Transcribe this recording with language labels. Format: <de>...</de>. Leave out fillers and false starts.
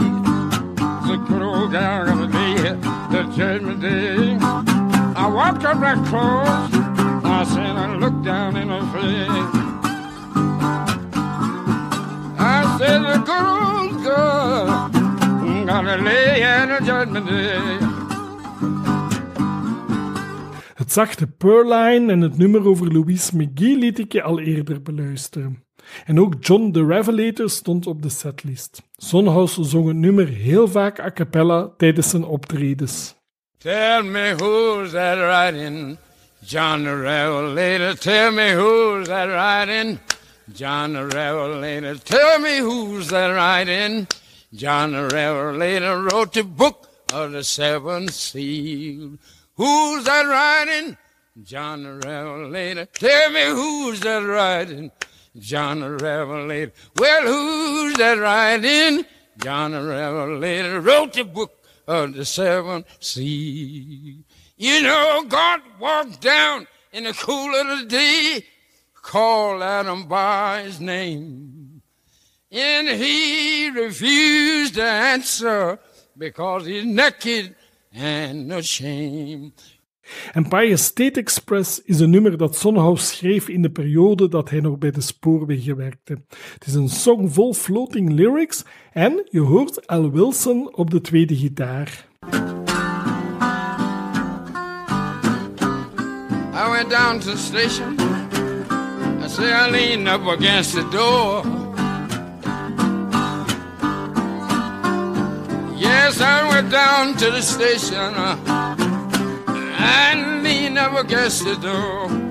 <en>It's a good old gal gonna be the judgment day. I walked her right close, I said, I looked down in her face. I said, a good old girl gonna lay in the judgment day.</en> <nl>Het zachte Purline en het nummer over Louise McGee liet ik je al eerder beluisteren. En ook John the Revelator stond op de setlist. Sonhouse zong het nummer heel vaak a cappella tijdens zijn optredens.</nl> <en>Tell me who's that riding, John the Revelator. Tell me who's that riding, John the Revelator. Tell me who's that riding, John the Revelator. Wrote the book of the seven seals. Who's that riding, John the Revelator. Tell me who's that riding, John the Revelator. Well, who's that riding? John the Revelator wrote the book of the seven seas. You know, God walked down in the cool of the day, called Adam by his name, and he refused to answer because he's naked and ashamed.</en> <nl>Empire State Express is een nummer dat Sonnenhaus schreef in de periode dat hij nog bij de spoorwegen werkte. Het is een song vol floating lyrics en je hoort Al Wilson op de tweede gitaar.</nl> <en>I went down to the station. I say I leaned up against the door. Yes, I went down to the station. And he never guessed the door.</en>